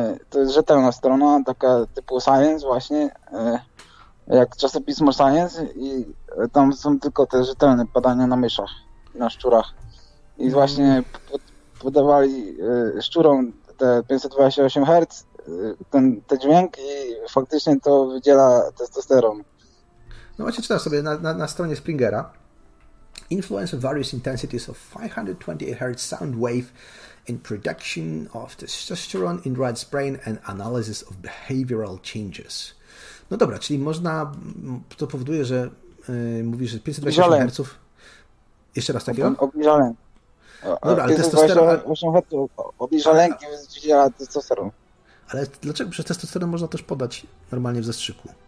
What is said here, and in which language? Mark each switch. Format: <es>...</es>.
<pl>To jest rzetelna strona, taka typu Science właśnie, jak czasopismo Science, i tam są tylko te rzetelne badania na myszach, na szczurach. I właśnie podawali szczurom te 528 Hz, te dźwięki, i faktycznie to wydziela testosteron. No właśnie, czytam sobie na stronie Springera.</pl> <en>Influence of various intensities of 528 Hz sound wave in production of testosterone in rat's brain and analysis of behavioral changes.</en> <pl>No dobra, czyli można, to powoduje, że mówisz, że 528 Hz. Jeszcze raz takiego? Obniża lęk. Dobra, ale testosteron. Obniża lęk i wydziela testosteron. Ale dlaczego przez testosteron można też podać normalnie w zastrzyku?</pl>